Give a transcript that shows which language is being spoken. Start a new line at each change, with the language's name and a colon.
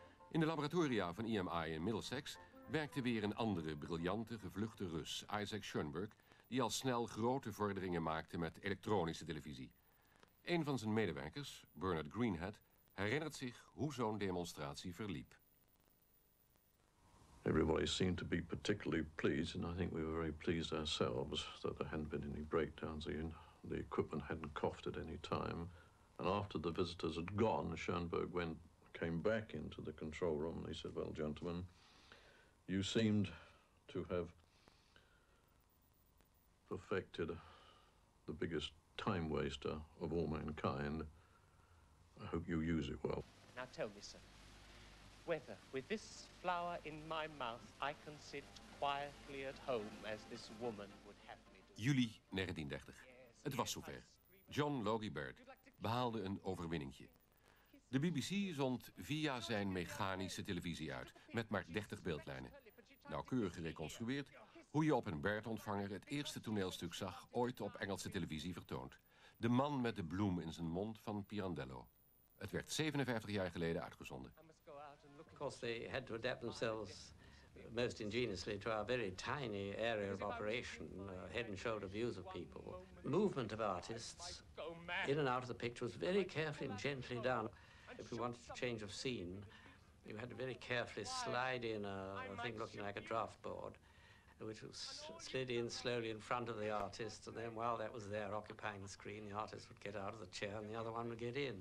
Dutch: In de laboratoria van EMI in Middlesex werkte weer een andere briljante gevluchte Rus, Isaac Schoenberg, die al snel grote vorderingen maakte met elektronische televisie. Een van zijn medewerkers, Bernard Greenhead, herinnert zich hoe zo'n demonstratie verliep.
English: Everybody seemed to be particularly pleased, and I think we were very pleased ourselves that there hadn't been any breakdowns, the equipment hadn't coughed at any time. And after the visitors had gone, Schoenberg came back into the control room and he said, well, gentlemen, you seemed to have perfected the biggest time waster of all mankind. I hope you use it well. Now tell me, sir, whether with this flower in my mouth I can sit quietly at home as this woman would have me do.
Dutch: Juli 1930. Het was zover. John Logie Baird behaalde een overwinningje. De BBC zond via zijn mechanische televisie uit met maar 30 beeldlijnen. Nauwkeurig gereconstrueerd hoe je op een Baird-ontvanger het eerste toneelstuk zag ooit op Engelse televisie vertoond. De man met de bloem in zijn mond van Pirandello. Het werd 57 jaar geleden uitgezonden.
English: Of course, they had to adapt themselves most ingeniously to our very tiny area of operation, head and shoulder views of people. Movement of artists in and out of the picture was very carefully and gently done. If you wanted to change of scene, you had to very carefully slide in a thing looking like a draft board, which was slid in slowly in front of the artist, and then while that was there occupying the screen, the artist would get out of the chair and the other one would get in.